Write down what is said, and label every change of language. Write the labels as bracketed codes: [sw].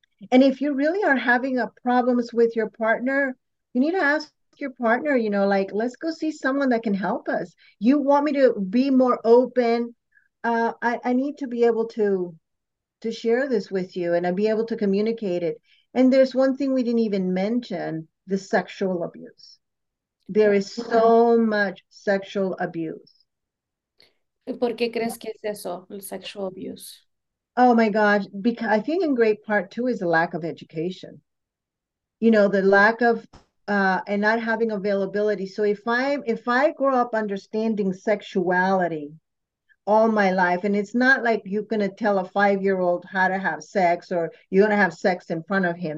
[en] And if you really are having problems with your partner, you need to ask your partner, you know, like, let's go see someone that can help us. You want me to be more open. I need to be able to share this with you and I'd be able to communicate it. And there's one thing we didn't even mention, the sexual abuse. There is so much sexual abuse. [es] ¿Por qué crees que es eso, el [en] sexual abuse? Oh my gosh, because I think in great part too is the lack of education. You know, the lack of and not having availability. So if I grow up understanding sexuality all my life, and it's not like you're gonna tell a 5-year-old how to have sex or you're gonna have sex in front of him.